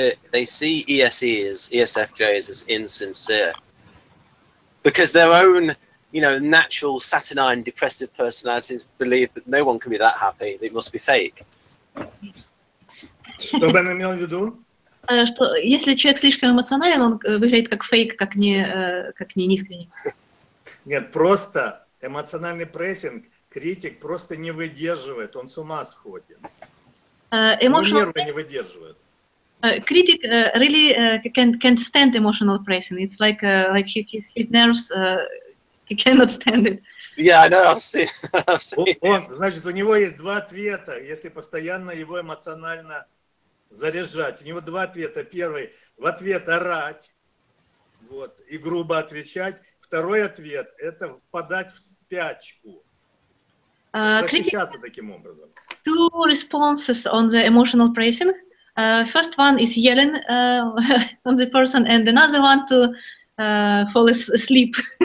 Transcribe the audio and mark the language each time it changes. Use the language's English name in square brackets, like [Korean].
[English] They see ESFJs as insincere because their own, you know, natural saturnine depressive personalities believe that no one can be that happy. They must be fake. [Russian] Что Бен имел в виду? Что если человек слишком эмоционален, он выглядит как фейк, как не искренний. Нет, просто эмоциональный прессинг критик просто не выдерживает, он с ума сходит. Нервы не выдерживают. [English] Критик really can't stand emotional pressing. It's like his nerves he cannot stand it. Yeah, I know. I've seen. [Russian] Значит, у него есть два ответа, если постоянно его эмоционально заряжать. У него два ответа. Первый – в ответ орать, вот, и грубо отвечать. Второй ответ – это впадать в спячку, защищаться таким образом. [English] Two responses on the emotional pressing. First one is yelling on the person, and another one to fall asleep.